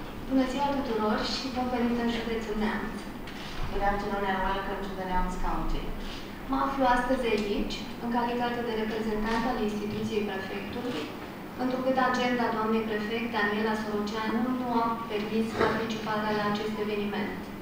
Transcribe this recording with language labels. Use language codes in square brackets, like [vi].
[ro] Bună ziua tuturor și bun venit în județul Neamț. [en] Good afternoon and welcome to the Neamț County. [ro] Mă aflu astăzi aici, în calitate de reprezentant al instituției prefectului, întrucât agenda doamnei prefect Daniela Soroceanu nu a permis participarea la acest eveniment.